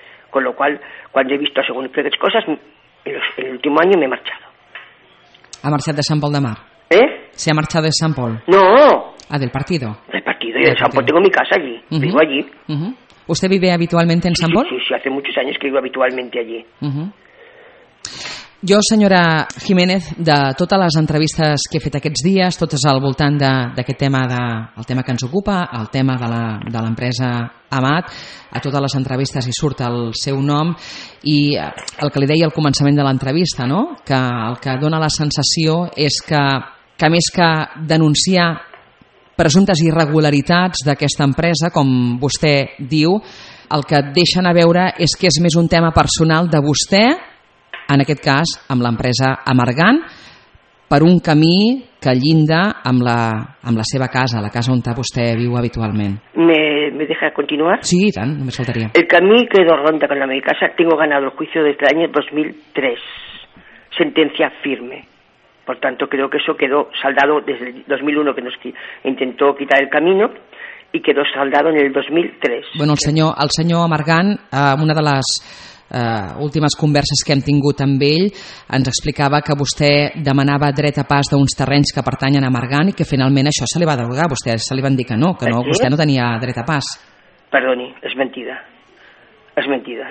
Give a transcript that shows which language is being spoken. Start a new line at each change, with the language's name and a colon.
Spanish: Con lo cual, cuando he visto según ustedes cosas, en el último año me he marchado. ¿Ha marchado de Sant Pol de Mar? ¿Eh? ¿Se ha marchado de Sant Pol? No. ¿Ah, del partido? Del partido, y de Sant Pol tengo mi casa allí, uh-huh. Vivo allí. Uh-huh. ¿Usted vive habitualmente en sí, Sant Pol? Sí, hace muchos años que vivo habitualmente allí. Uh-huh.
Catalan: Jo, senyora Jiménez, de totes les entrevistes que he fet aquests dies, totes al voltant d'aquest tema, el tema que ens ocupa, el tema de l'empresa Amat, a totes les entrevistes hi surt el seu nom i el que li deia al començament de l'entrevista, no? Que el que dona la sensació és que més que denunciar presumptes irregularitats d'aquesta empresa, com vostè diu, el que deixen a veure és que és més un tema personal de vostè, en aquest cas amb l'empresa Amargán, per un camí que llinda amb la seva casa, la casa on vostè viu habitualment.
Spanish: ¿Me deja continuar?
Catalan: Sí, i tant, només faltaria.
Spanish: El camí que do ronda con la mi casa, tengo ganado el juicio desde el año 2003. Sentencia firme. Por tanto, creo que eso quedó saldado desde el 2001, que nos intentó quitar el camino, y quedó saldado en el 2003.
Catalan: Bueno, el senyor Amargán, una de les... últimes converses que hem tingut amb ell, ens explicava que vostè demanava dret a pas d'uns terrenys que pertanyen a Margant i que finalment això se li va derogar. Vostè se li van dir que no, vostè no tenia dret a pas. Perdoni, és mentida. És mentida.